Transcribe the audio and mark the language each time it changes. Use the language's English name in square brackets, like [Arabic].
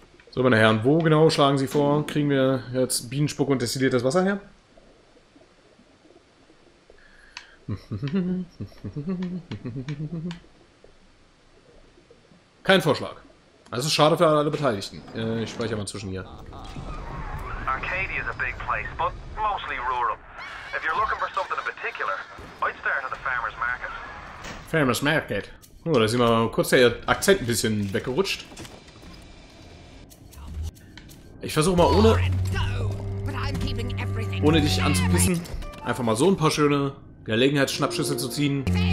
[German] So, meine Herren, wo genau schlagen Sie vor? Kriegen wir jetzt Bienenspuck und destilliertes Wasser her? Kein Vorschlag. Also schade für alle Beteiligten. Ich speichere mal zwischen hier. [English] Arcadia is a big place, but mostly rural. If you're looking for something in particular, I'd start at the farmer's market. Famous Market. [German] Oh, da ist immer kurz der Akzent ein bisschen weggerutscht. Ich versuche mal ohne dich anzupissen, einfach mal so ein paar schöne Gelegenheitsschnappschüsse zu ziehen.